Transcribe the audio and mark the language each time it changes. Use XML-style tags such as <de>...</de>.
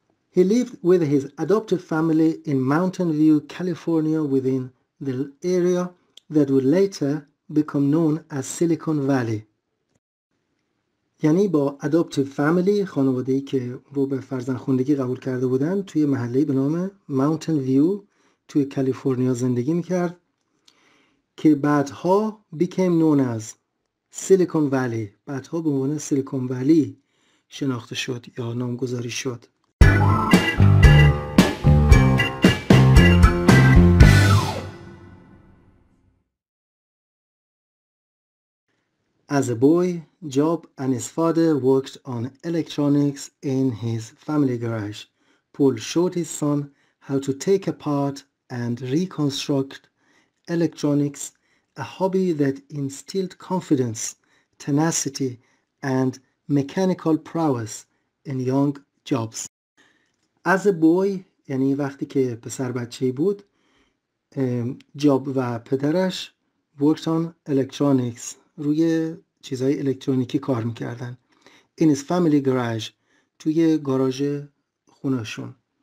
<en>He lived with his adoptive family in Mountain View, California within the area that would later become known as Silicon Valley.</en> <fa>یعنی با</fa> <en>adoptive family</en> <fa>خانواده‌ای که رو به فرزندخوندگی قبول کرده بودن توی محله‌ای به نام Mountain View توی کالیفرنیا زندگی می‌کرد که بعدها</fa> <en>became known as Silicon Valley</en> <fa>بعدها به عنوان سیلیکون ولی شناخته شد یا نامگذاری شد.</fa> <en>As a boy, Job and his father worked on electronics in his family garage. Paul showed his son how to take apart and reconstruct electronics, a hobby that instilled confidence, tenacity, and mechanical prowess in young Jobs. As a boy,</en> <fa>یعنی وقتی که پسر بچه بود, Job و پدرش</fa> <en>worked on electronics,</en> <fa>روی چیزهای الکترونیکی کار میکردن.</fa> <en>In his family garage,</en> <fa>توی گاراژ خونهشون.</fa>